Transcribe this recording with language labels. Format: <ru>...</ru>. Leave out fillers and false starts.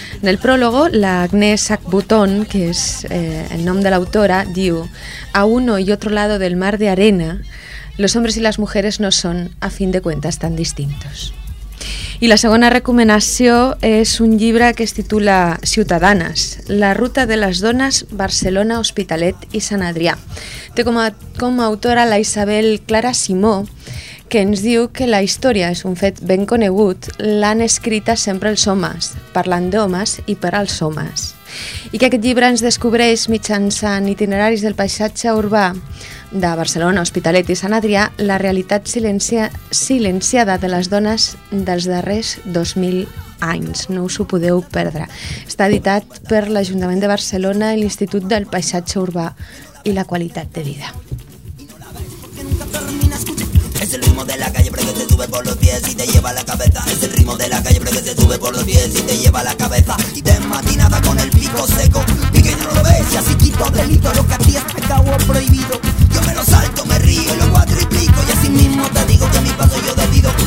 <ca>En el prólogo, la Agnès Agbutton, que és el nom de l'autora, diu:</ca> <es>a uno y otro lado del mar de arena, los hombres y las mujeres no son, a fin de cuentas, tan distintos.</es> <ca>I la segona recomanació és un llibre que es titula Ciutadanes, la ruta de les dones, Barcelona, Hospitalet i Sant Adrià. Té com a autora la Isabel Clara Simó, que ens diu que la història és un fet ben conegut, l'han escrita sempre els homes, parlant d'homes i per als homes. I que aquest llibre ens descobreix mitjançant itineraris del paisatge urbà de Barcelona, Hospitalet i Sant Adrià, la realitat silenciada de les dones dels darrers 2000 anys. No us ho podeu perdre. Està editat per l'Ajuntament de Barcelona i l'Institut del Paisatge Urbà i la Qualitat de Vida.</ca> <es>Es el ritmo de la calle, pero que te sube por los pies y te lleva la cabeza. Es el ritmo de la calle, pero que te sube por los pies y te lleva la cabeza. Y de matinada con el pico seco, y que no lo ves, y así quito delito lo que a ti es pecado o prohibido. Yo me lo salto, me río y lo cuatriplico, y así mismo te digo que mi paso yo decido.</es>